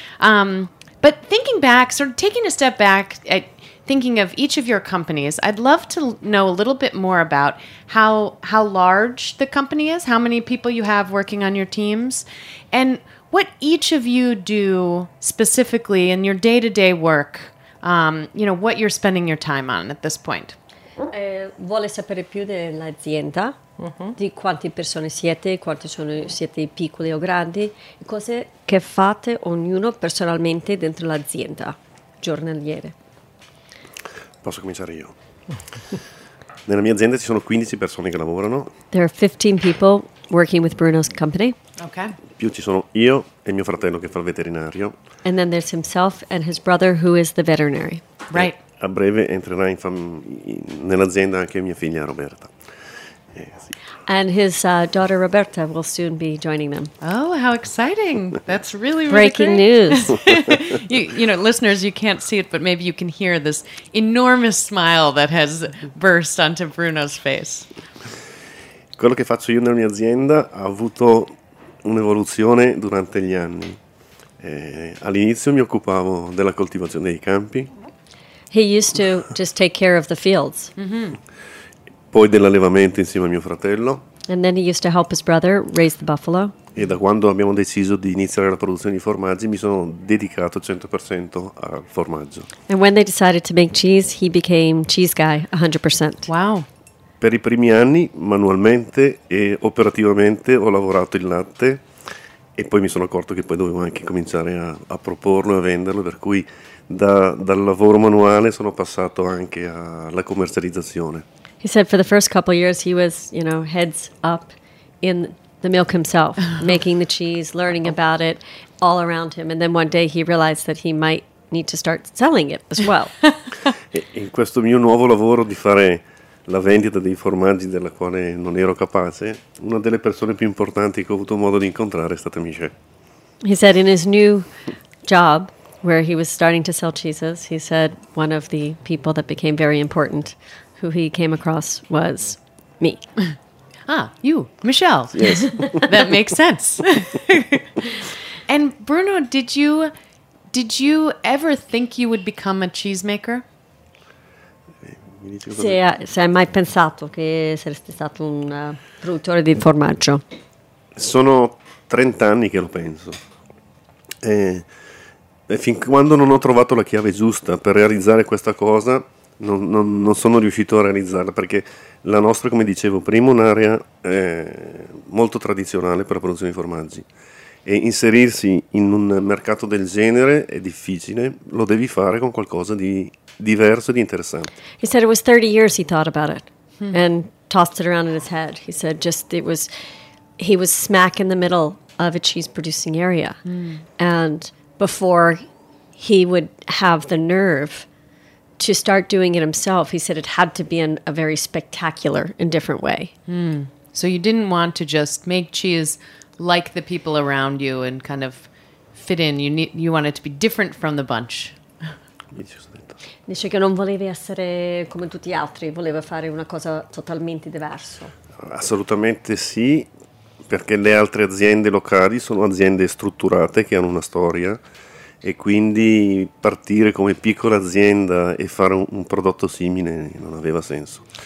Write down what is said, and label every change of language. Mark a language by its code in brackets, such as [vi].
[en] But thinking back, sort of taking a step back at thinking of each of your companies, I'd love to know a little bit more about how large the company is, how many people you have working on your teams, and what each of you do specifically in your day-to-day work, you know, what you're spending your time on at this point. [it] Vuole sapere più dell'azienda, di quante persone siete, quanti sono siete piccoli o grandi, cose che fate ognuno personalmente dentro l'azienda, giornaliere. Posso cominciare io? Nella mia azienda ci sono 15 persone che lavorano. [en] There are 15 people working with Bruno's company. Okay. [it] Più ci sono io e mio fratello che fa il veterinario. [en] And then there's himself and his brother who is the veterinary. Right. [it] A breve entrerà in nell'azienda anche mia figlia Roberta. Sì. [en] And his daughter Roberta will soon be joining them. Oh, how exciting. That's really, really breaking great. News. you know, listeners, you can't see it, but maybe you can hear this enormous smile that has burst onto Bruno's face. [it] Quello che faccio io nella mia azienda ha avuto un'evoluzione durante gli anni. All'inizio mi occupavo della coltivazione dei campi. [en] He used to just take care of the fields. Mm-hmm. [it] Poi dell'allevamento insieme a mio fratello. [en] And then he used to help his brother raise the buffalo. [it] E da quando abbiamo deciso di iniziare la produzione di formaggi, mi sono dedicato 100% al formaggio. [en] And when they decided to make cheese, he became cheese guy 100%. Wow. [it] Per i primi anni, manualmente e operativamente, ho lavorato il latte e poi mi sono accorto che poi dovevo anche cominciare a proporlo e a venderlo, per cui dal lavoro manuale sono passato anche alla commercializzazione. [en] He said for the first couple of years he was, you know, heads up in the milk himself, making the cheese, learning about it all around him. And then one day he realized that he might need to start selling it as well. [it] In questo mio nuovo lavoro di fare la vendita dei formaggi della quale non ero capace, una delle persone più importanti che ho avuto modo di incontrare è stata Michelle. [en] He said in his new job, where he was starting to sell cheeses, he said one of the people that became very important who he came across was me. Ah, you, Michelle. Yes. That makes sense. And Bruno, did you ever think you would become a cheesemaker? [it] Se hai mai pensato che saresti stato un produttore di formaggio? Sono 30 anni che lo penso. E fin quando non ho trovato la chiave giusta per realizzare questa cosa, non sono riuscito a realizzarla, perché la nostra, come dicevo prima, è un'area molto tradizionale per la produzione di formaggi, e inserirsi in un mercato del genere è difficile, lo devi fare con qualcosa di diverso e di interessante. [en] He said it was 30 years he thought about it and tossed it around in his head. He said just it was, he was smack in the middle of a cheese producing area and before he would have the nerve to start doing it himself, he said it had to be in a very spectacular and different way. Mm. So you didn't want to just make cheese like the people around you and kind of fit in. You want it to be different from the bunch. [it] Dice che non volevi essere come tutti gli altri, voleva fare una cosa totalmente diverso. Assolutamente sì. Perché le altre aziende locali sono aziende strutturate che hanno una storia, e quindi partire come piccola azienda e fare un prodotto simile non aveva senso.